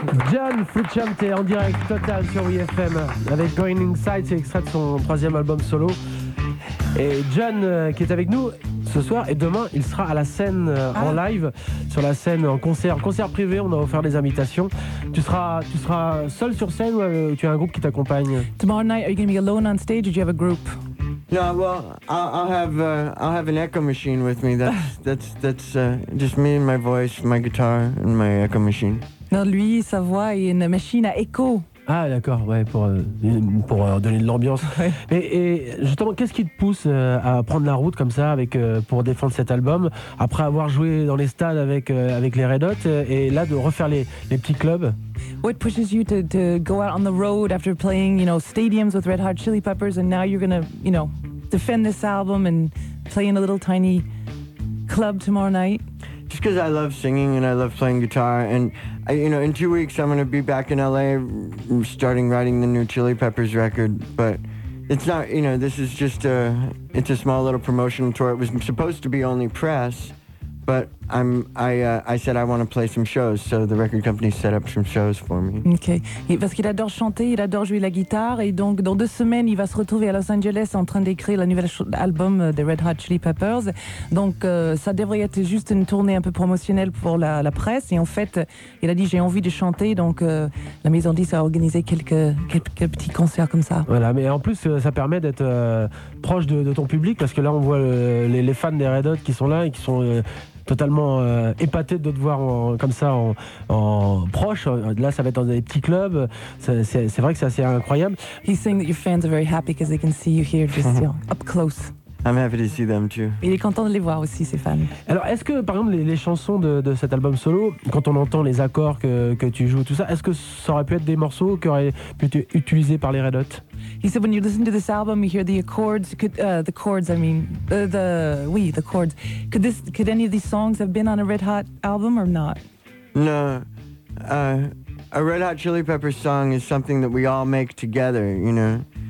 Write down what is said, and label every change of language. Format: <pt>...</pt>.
<fr>John Frusciante en direct total sur UFM avec Going Inside, c'est extrait de son troisième album solo. Et John qui est avec nous ce soir et demain il sera à la scène en live, sur la scène en concert, concert privé, on a offert des invitations. Tu seras seul sur scène ou tu as un groupe qui t'accompagne?</fr> <en>Tomorrow night, are you going to be alone on stage or do you have a group? No, well, I'll have an echo machine with me. That's just me and my voice, my guitar and my echo machine.</en> <fr>Non, lui, sa voix et une machine à écho. Ah, d'accord, ouais, pour donner de l'ambiance. Ouais. Et justement, qu'est-ce qui te pousse à prendre la route comme ça avec pour défendre cet album après avoir joué dans les stades avec les Red Hot et là de refaire les petits clubs?</fr> <en>What pushes you to go out on the road after playing, you know, stadiums with Red Hot Chili Peppers and now you're gonna, you know, defend this album and play in a little tiny club tomorrow night? Just because I love singing and I love playing guitar and I, you know, in 2 weeks I'm gonna be back in LA starting writing the new Chili Peppers record, but it's not, you know, this is just it's a small little promotional tour. It was supposed to be only press. But I said I want to play some shows, so the record company set up some shows for me.</en> <fr>Okay, parce qu'il adore chanter, il adore jouer la guitare, et donc dans deux semaines il va se retrouver à Los Angeles en train d'écrire la nouvelle album des Red Hot Chili Peppers. Donc ça devrait être juste une tournée un peu promotionnelle pour la presse. Et en fait, il a dit j'ai envie de chanter, donc la maison disque a organisé quelques petits concerts comme ça. Voilà, mais en plus ça permet d'être proche de ton public parce que là on voit les fans des Red Hot qui sont là et qui sont totalement épaté de te voir comme ça en proche. Là, ça va être dans des petits clubs. C'est vrai que c'est assez incroyable.</fr> <en>He's saying that your fans are very happy because they can see you here just up close. I'm happy to see them too.</en> <fr>Il est content de les voir aussi, ses fans. Alors, est-ce que, par exemple, les chansons de cet album solo, quand on entend les accords que tu joues, tout ça, est-ce que ça aurait pu être des morceaux qui auraient pu être utilisés par les Red Hot?</fr> <en>He said, when you listen to this album, you hear the accords, the chords. Could any of these songs have been on a Red Hot album or not? No. A Red Hot Chili Peppers song is something that we all make together, you know?</en>